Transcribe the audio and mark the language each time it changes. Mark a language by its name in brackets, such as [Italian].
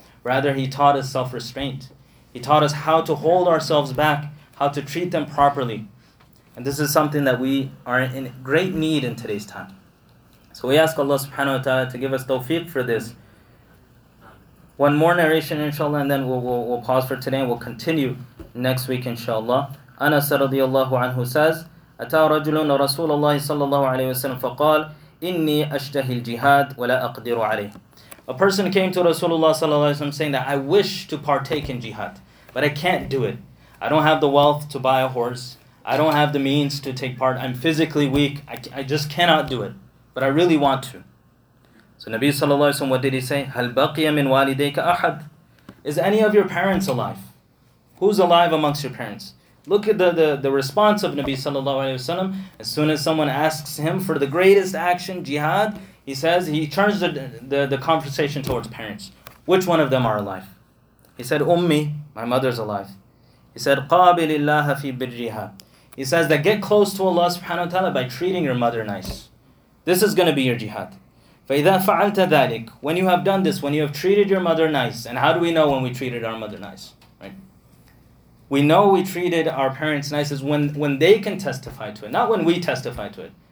[English] Rather, he taught us self-restraint. He taught us how to hold ourselves back, how to treat them properly. And this is something that we are in great need in today's time. So we ask Allah subhanahu wa ta'ala to give us tawfiq for this. One more narration, inshallah, and then we'll pause for today and we'll continue next week, inshallah. Anas radiallahu anhu says, [Arabic] أَتَى رَجُلٌ رَسُولَ اللَّهِ صَلَّى اللَّهُ عَلَيْهِ وَسَلَّمَ فَقَالَ إِنِّي أَشْتَهِي الْجِهَادِ وَلَا أَقْدِرُ عَلَيْهِ. [English] A person came to Rasulullah sallallahu alayhi wa sallam saying that I wish to partake in jihad, but I can't do it. I don't have the wealth to buy a horse. I don't have the means to take part. I'm physically weak. I just cannot do it, but I really want to. So Nabi sallallahu alayhi wa sallam, what did he say? [Arabic] هَلْ بَقِيَ مِنْ وَالِدَيْكَ أَحَدٌ. [English] Is any of your parents alive? Who's alive amongst your parents? Look at the response of Nabi sallallahu alayhi wa sallam. As soon as someone asks him for the greatest action, jihad, he says, he turns the conversation towards parents. Which one of them are alive? He said, Ummi, my mother's alive. He said, [Arabic] قَابِلِ اللَّهَ فِي بِرِّهَا. [English] He says that get close to Allah subhanahu wa ta'ala by treating your mother nice. This is going to be your jihad. [Arabic] فَإِذَا فَعَلْتَ ذَلِكَ. [English] When you have done this, when you have treated your mother nice, and how do we know when we treated our mother nice? Right? We know we treated our parents nice is when they can testify to it, not when we testify to it.